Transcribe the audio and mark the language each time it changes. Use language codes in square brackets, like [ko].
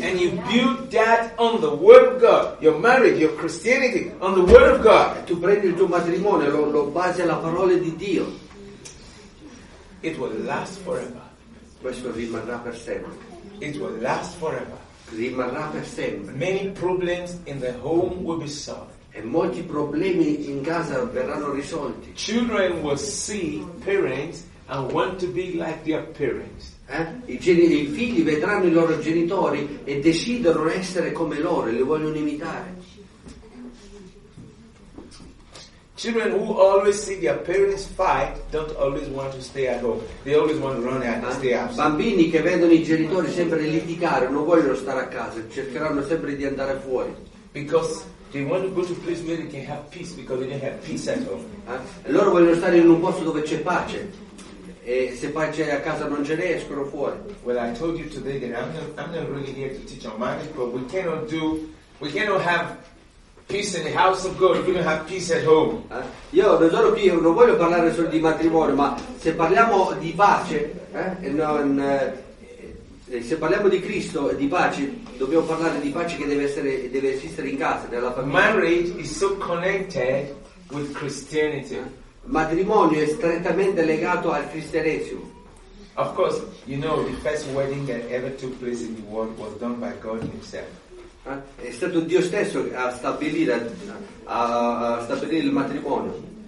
[en] and you build that on the word of God, your marriage, your Christianity, on the word of God, [it] e tu prendi il tuo matrimonio, lo basi alla parola di Dio, [en] it will last forever. [it] Questo rimarrà per sempre. [en] It will last forever. [it] Rimarrà per sempre. [en] Many problems in the home will be solved. [it] E molti problemi in casa verranno risolti. [en] Children will see parents and want to be like their parents. [it] I figli vedranno i loro genitori e decidono essere come loro e li vogliono imitare. [en] Children who always see their parents fight don't always want to stay at home. They always want to run and stay absent. [it] Bambini che vedono i genitori sempre litigare non vogliono stare a casa, cercheranno sempre di andare fuori. [en] Because they want to go to a place where they can have peace because they didn't have peace at home. [it] Loro vogliono stare in un posto dove c'è pace. E se pace a casa non ce n'è, escono fuori. [en] Well, I told you today that I'm not really here to teach on marriage, but we cannot have peace in the house of God, you don't have peace at home. [it] Io non sono qui, non voglio parlare solo di matrimonio, ma se parliamo di pace, se parliamo di Cristo e di pace, dobbiamo parlare di pace che deve esistere in casa, nella famiglia. [en] Marriage is so connected with Christianity. [it] Matrimonio è strettamente legato al cristianesimo. [en] Of course, you know the first wedding that ever took place in the world was done by God Himself. [it] È stato Dio stesso a stabilire il matrimonio.